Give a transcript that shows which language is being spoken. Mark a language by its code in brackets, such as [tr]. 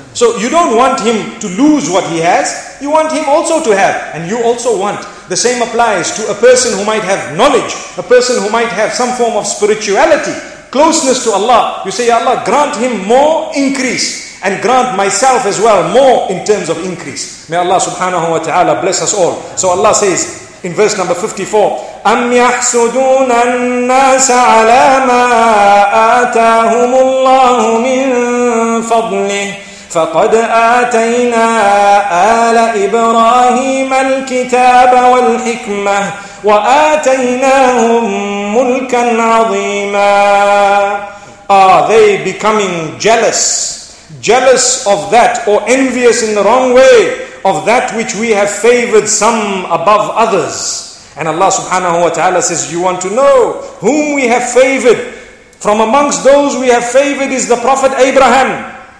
[en] So you don't want him to lose what he has. You want him also to have. And you also want. The same applies to a person who might have knowledge. A person who might have some form of spirituality. Closeness to Allah. You say, Ya Allah, grant him more increase. And grant myself as well more in terms of increase. May Allah subhanahu wa ta'ala bless us all. So Allah says in verse number 54, [ar] أَمْ يَحْسُدُونَ النَّاسَ عَلَى مَا آتَاهُمُ اللَّهُ مِنْ فَضْلِهِ فَقَدْ آتَيْنَا آلَ إِبْرَاهِيمَ الْكِتَابَ وَالْحِكْمَةَ وَآتَيْنَاهُمْ مُلْكًا عَظِيمًا. [en] Are they becoming jealous? Jealous of that, or envious in the wrong way of that which we have favored some above others? And Allah subhanahu wa ta'ala says, you want to know whom we have favored? From amongst those we have favored is the Prophet Abraham.